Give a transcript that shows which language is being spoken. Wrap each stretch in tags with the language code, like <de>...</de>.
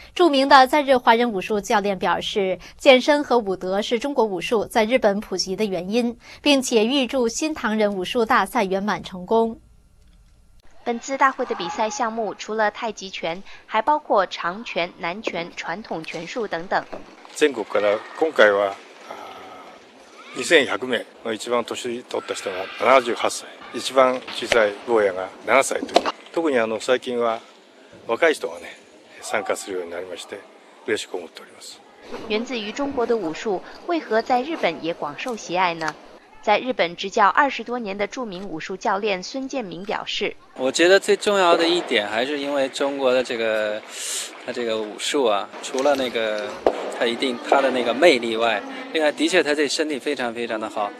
<zh>著名的在日华人武术教练表示，健身和武德是中国武术在日本普及的原因，并且预祝新唐人武术大赛圆满成功。本次大会的比赛项目除了太极拳，还包括长拳、南拳、传统拳术等等。</zh> <ja>全国から今回は2100名の一番年取った人が78歳、一番小さい坊やが7歳という。特に最近は若い人がね参加するようになりまして、嬉しく思っております。</ja> <zh>源自于中国的武术，为何在日本也广受喜爱呢？在日本执教20多年的著名武术教练孙建明表示，我觉得最重要的一点还是因为中国的这个他这个武术啊，除了那个他一定他的那个魅力外，另外的确他这身体非常非常的好。</zh>